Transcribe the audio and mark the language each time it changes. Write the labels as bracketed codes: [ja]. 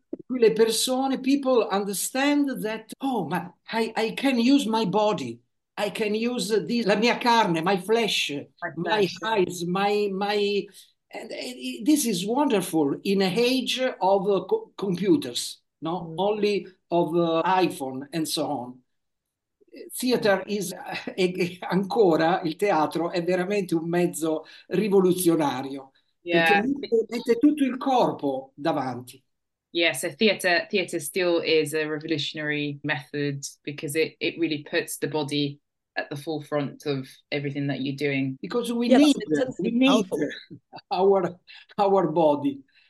[it] Le persone, [en] people understand that, oh, ma, I can use my body. I can use this, [it] la mia carne, [en] my flesh, my eyes, my And this is wonderful in an age of computers, not only of iPhone and so on. Theater is [it] ancora, il teatro è veramente un mezzo rivoluzionario. Yeah. Perché mette tutto il corpo davanti. [en] Yeah, so theater still is a revolutionary method because it really puts the body at the forefront of everything that you're doing. Because we need our body.